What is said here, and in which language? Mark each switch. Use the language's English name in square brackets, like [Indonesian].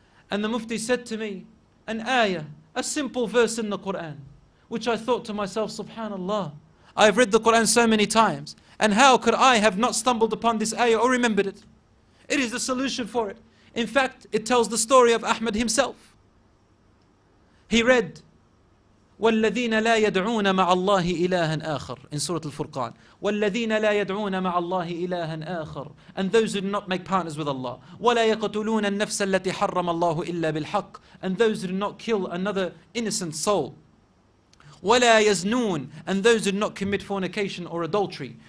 [English] And the mufti said to me, an ayah, a simple verse in the Quran, which I thought to myself, subhanAllah, I've read the Quran so many times, and how could I have not stumbled upon this ayah or remembered it? It is the solution for it. In fact, it tells the story of Ahmed himself. He read, [Arabic] وَالَّذِينَ لَا يَدْعُونَ مَعَ اللَّهِ إِلَٰهًا آخَرٍ [English] in Surah Al-Furqan. [Arabic] وَالَّذِينَ لَا يَدْعُونَ مَعَ اللَّهِ إِلَٰهًا آخَرٍ [English] and those who do not make partners with Allah. [Arabic] وَلَا يَقْتُلُونَ النَّفْسَ الَّتِي حَرَّمَ اللَّهُ إِلَّا بِالْحَقِّ [English] and those who do not kill another innocent soul. [Arabic] وَلَا يَزْنُونَ [English] and those who do not commit fornication or adultery.